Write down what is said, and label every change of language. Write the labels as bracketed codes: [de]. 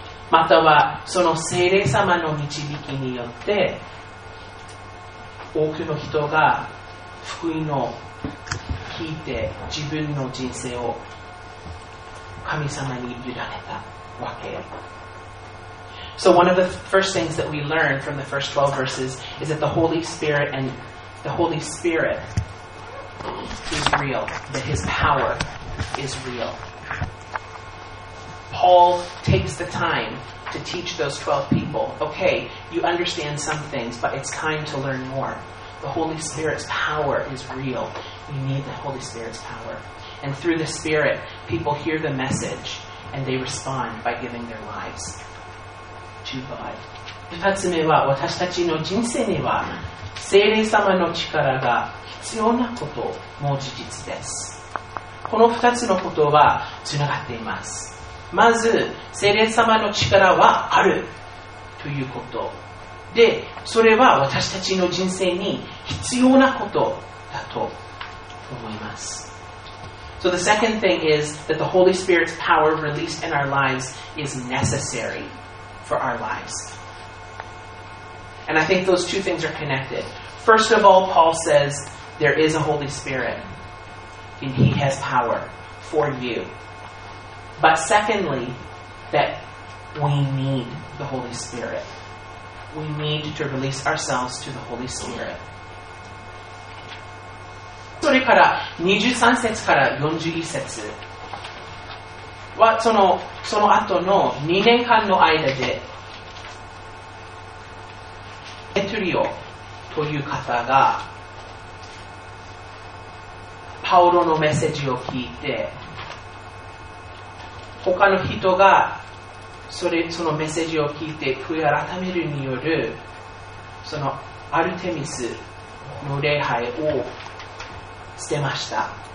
[ja] またはその聖霊様の導きによって多くの人が福音を聞いて自分の人生を神様に委ねたわけ。 [en] So one of the first things that we learn from the first 12 verses is that the Holy Spirit is real, that His power is real. Paul takes the time to teach those 12 people, okay, you understand some things, but it's time to learn more. The Holy Spirit's power is real. You need the Holy Spirit's power. And through the Spirit, people hear the message and they respond by giving their lives to God. [ja] 二つ目は、私たちの人生には聖霊様の力が必要なことも事実です。この二つのことはつながっています。まず、聖霊様の力はあるということ。で、それは私たちの人生に必要なことだと思います。 [en] So the second thing is that the Holy Spirit's power released in our lives is necessary for our lives. And I think those two things are connected. First of all, Paul says there is a Holy Spirit and He has power for you. But secondly, that we need the Holy Spirit. We need to release ourselves to the Holy Spirit. [ja] それから23節から41節はその後の2年間の間でペトリオという方がパウロのメッセージを聞いて他の人がそのメッセージを聞いて悔い改めるによるそのアルテミスの礼拝を捨てました。